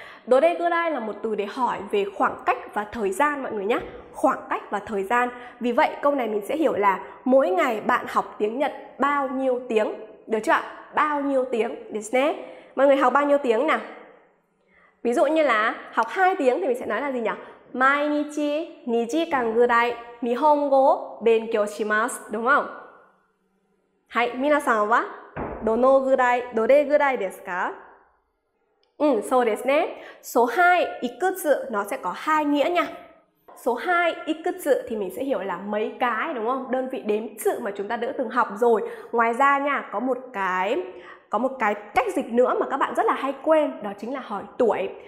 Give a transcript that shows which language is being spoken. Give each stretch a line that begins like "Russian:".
Vietnamese: Đố đây gơ đai là một từ để hỏi về khoảng cách và thời gian mọi người nhé. Khoảng cách và thời gian. Vì vậy câu này mình sẽ hiểu là mỗi ngày bạn học tiếng Nhật bao nhiêu tiếng. Được chưa ạ? Bao nhiêu tiếng. Được nhé. Mọi người học bao nhiêu tiếng nào? Ví dụ như là học 2 tiếng thì mình sẽ nói là gì nhỉ?
Japanese: 毎日 2時間 ぐらい 日本語 勉強 します.
Vietnamese: Đúng không?
Japanese: Hãy, 皆さんは どのぐらい どれぐらい ですか? Ừ, so ですね.
Vietnamese: Số 2, いくつ nó sẽ có hai nghĩa nha. Số 2, いくつ thì mình sẽ hiểu là mấy cái, đúng không? Đơn vị đếm chữ mà chúng ta đã từng học rồi. Ngoài ra nha, có một cái cách dịch nữa mà các bạn rất là hay quên, đó chính là hỏi tuổi.